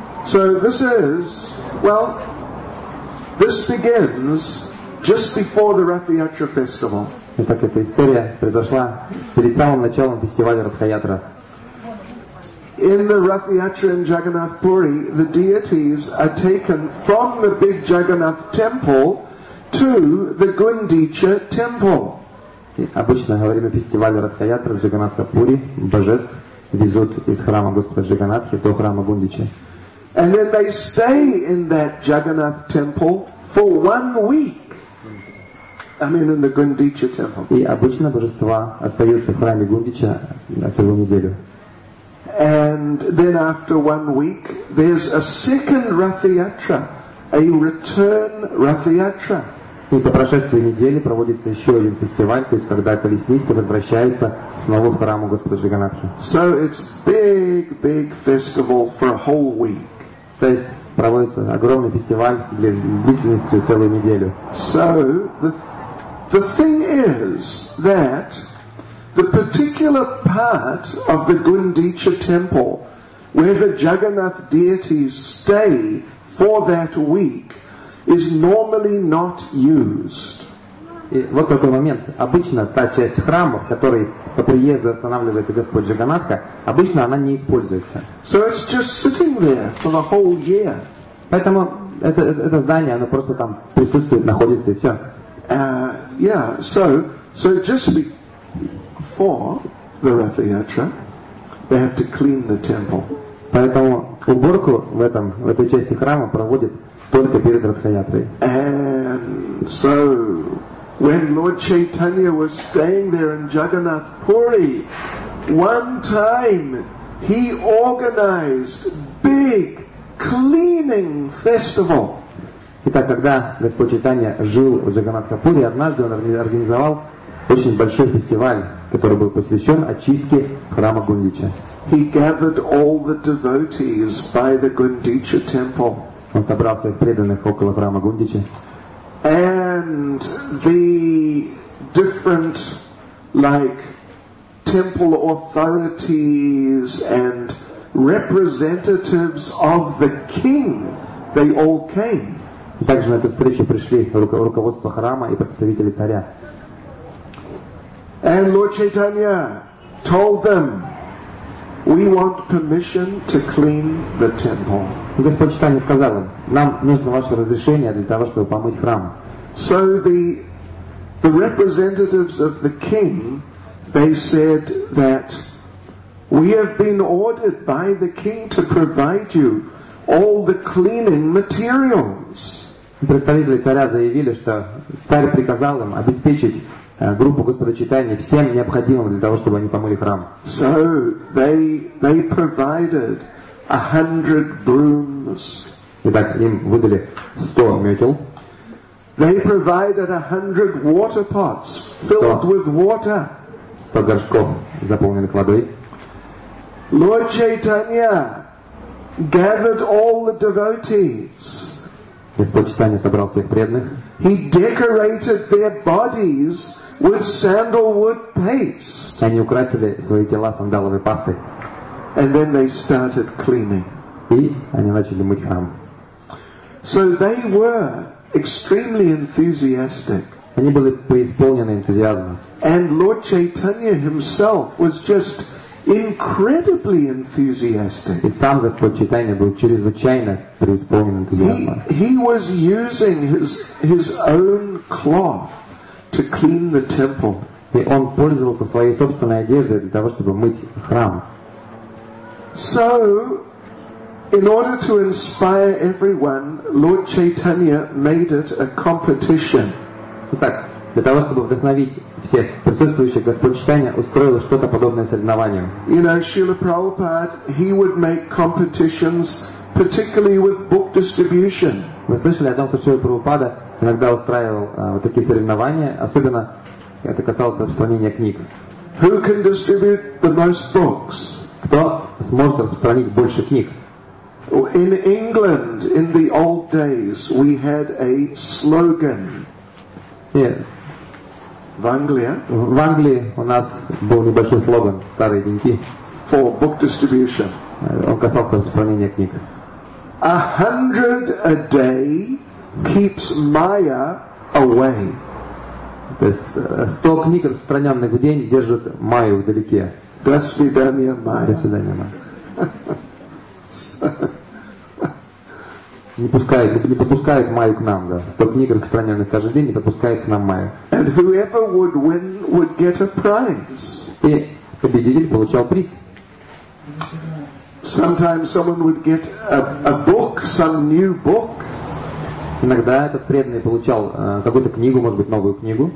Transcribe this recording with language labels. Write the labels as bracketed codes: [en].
[en] So this is, well, this begins just before the Ratha Yatra festival. [ru] Итак, эта история произошла перед самым началом фестиваля Ратха Ятра. [en] In the Ratha Yatra in Jagannath Puri, the deities are taken from the big Jagannath temple to the Gundicha temple. [ru] Обычно во время фестиваля Ратха Ятра в Джаганнатха Пури божеств везут из храма Господа Джаганнатхи до храма Гундичи. [en] And then they stay in that Jagannath temple for 1 week. I mean, in the Gundicha temple. [ru] И обычно божества остаются в храме Гундича на целую неделю. [en] And then after 1 week, there's a second Ratha Yatra, a return Ratha Yatra. [ru] И по прошествии недели проводится еще один фестиваль, то есть когда колесницы возвращаются снова в храм Господа Джаганнатхи. [en] So it's big, big festival for a whole week. [ru] То есть проводится огромный фестиваль длительностью целую неделю. [en] So the thing is that the particular part of the Gundicha temple where the Jagannath deities stay for that week is normally not used. [ru] И вот такой момент. Обычно та часть храма, в которой по приезду останавливается Господь Джаганнатха, обычно она не используется. [en] So it's just sitting there for the whole year. [ru] Поэтому это здание, оно просто там присутствует, находится и все. [en] Yeah, so just before the Ratha Yatra, they have to clean the temple. [ru] Поэтому уборку в этой части храма проводят только перед Ратха Ятрой. [en] And so, when Lord Chaitanya was staying there in Jagannath Puri, one time he organized big cleaning festival. [ru] Итак, когда Господь Читания жил в Джаганнатхапуре, однажды он организовал очень большой фестиваль, который был посвящен очистке храма Гундича. [en] He gathered all the devotees by the Gundicha temple. [ru] Он собрал всех преданных около храма Гундича. [en] And the different, like, temple authorities and representatives of the king, they all came. [ru] Также на эту встречу пришли руководство храма и представители царя. [en] And Lord Chaitanya told them, we want permission to clean the temple. [ru] Господь Читания сказал им, нам нужно ваше разрешение для того, чтобы помыть храм. [en] So the representatives of the king, they said that we have been ordered by the king to provide you all the cleaning materials. [ru] Представители царя заявили, что царь приказал им обеспечить группу Господа Читания всем необходимым для того, чтобы они помыли храм. [en] So they provided 100 brooms. [ru] Итак, им выдали 100 мётел. [en] They provided 100 water pots filled with water. [ru] 100 горшков, заполненных водой. [en] Lord Chaitanya gathered all the devotees. [ru] Господь Читания собрал всех преданных. [en] He decorated their bodies with sandalwood paste. [ru] Они украсили свои тела сандаловой пастой. [en] And then they started cleaning. [ru] И они начали мыть храм. [en] So they were extremely enthusiastic. [ru] Они были преисполнены энтузиазма. [en] And Lord Chaitanya himself was just incredibly enthusiastic. [ru] И сам Господь Читания был чрезвычайно преисполнен энтузиазма. [en] He was using his own cloth to clean the temple. [ru] И он пользовался своей собственной одеждой для того, чтобы мыть храм. [en] So, in order to inspire everyone, Lord Chaitanya made it a competition. [ru] Итак, для того, чтобы вдохновить всех присутствующих, Господь Читания устроил что-то подобное соревнованию. [en] You know, Srila Prabhupada, he would make competitions, particularly with book distribution. [ru] Вы слышали о том, что Шрила Прабхупада иногда устраивал вот такие соревнования, особенно это касалось распространения книг. [en] Who can distribute the most books? [ru] Кто сможет распространить больше книг? [en] In England, in the old days, we had a slogan. Yeah. [ru] В Англии? В Англии у нас был небольшой слоган, старые деньги. [en] For book distribution. [ru] Он касался распространения книг. [en] 100 a day keeps Maya away. [ru] То есть 100 книг, распространенных в день, держат Майю вдалеке. До свидания, Майя. До свидания, Майя. Не подпускает Майю к нам, да. 100 книг, распространенных каждый день, не подпускает к нам Майю. [en] And whoever would win would get a prize. [ru] И победитель получал приз. [en] Sometimes someone would get a book, some new book. [ru] Иногда этот преданный получал какую-то книгу, может быть, новую книгу.